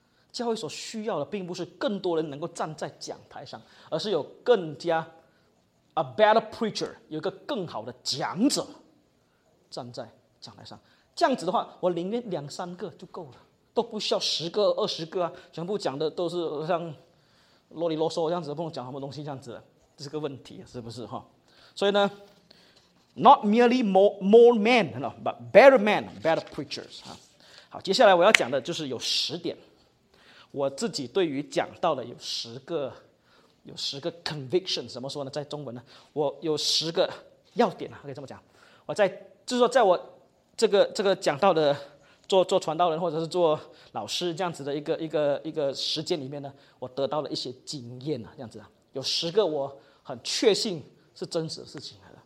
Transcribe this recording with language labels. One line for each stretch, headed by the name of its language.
Chinese: 教会所需要的并不是更多人能够站在讲台上，而是有更加
English: a better preacher，
Chinese: 有一个更好的讲者站在讲台上。这样子的话，我宁愿两三个就够了，都不需要十个、二十个啊，全部讲的都是像啰里啰嗦这样子，不能讲什么东西这样子，这是个问题，是不是哈？所以呢？
English: Not merely more men, no, but better men, better preachers.
Chinese: 好，接下来我要讲的就是有十点，我自己对于讲到的有十个 conviction， 怎么说呢？在中文呢，我有十个要点，可以这么讲。我在就是说，在我这个讲到的做传道人或者是做老师这样子的一个时间里面呢，我得到了一些经验这样子，有十个我很确信是真实的事情。